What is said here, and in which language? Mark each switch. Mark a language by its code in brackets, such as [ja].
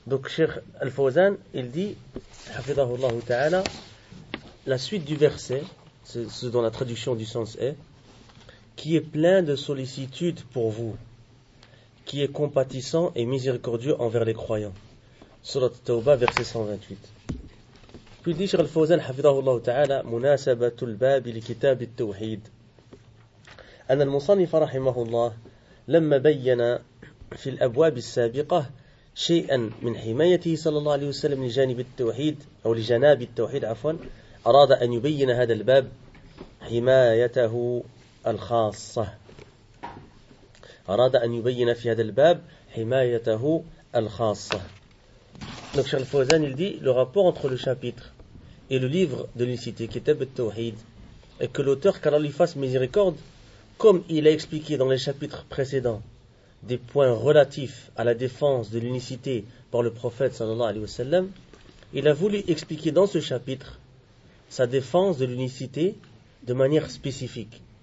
[fr] Donc, Cheikh Al-Fawzan, il dit, [ar] حَفِظَهُ اللَّهُ تَعَالَى, [fr] la suite du verset, ce dont la traduction du sens est, qui est plein de sollicitude pour vous, qui est compatissant et miséricordieux envers les croyants. Surat Tawbah, verset 128. Puis dit Cheikh Al-Fawzan, [ar] حَفِظَهُ اللَّهُ تَعَالَى, مُنَاسَبَةُ الْبَابِ لِكِتَابِ التَّوْحِيدِ. أن المصنف رحمه الله لما بين في الأبواب السابقة شيئا من حمايته صلى الله عليه وسلم لجانب التوحيد أو لجناب التوحيد عفوا، أراد أن يبين هذا الباب حمايته الخاصة، أراد أن يبين في هذا الباب حمايته الخاصة. [fr] Donc Cheikh Al-Fawzan il dit le rapport entre le chapitre et le livre de l'unicité Kitab al-Tawhid et que l'auteur qu'Allah lui fasse miséricorde, comme il a expliqué dans les chapitres précédents des points relatifs à la défense de l'unicité par le prophète sallallahu alayhi wa sallam, il a voulu expliquer dans ce chapitre sa défense de l'unicité de manière spécifique.